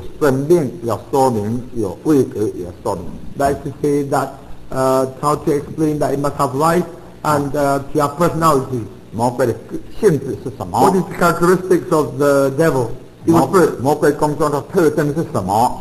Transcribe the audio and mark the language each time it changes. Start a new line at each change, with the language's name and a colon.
Chinese: 这个有生命要说明，有位格也说明。
English: That is to say that how to explain that it must have life and to have personality.
Chinese: 魔鬼的性质是什么?
English: What is the characteristics of the devil?
Chinese: 魔鬼工作的特征是什么?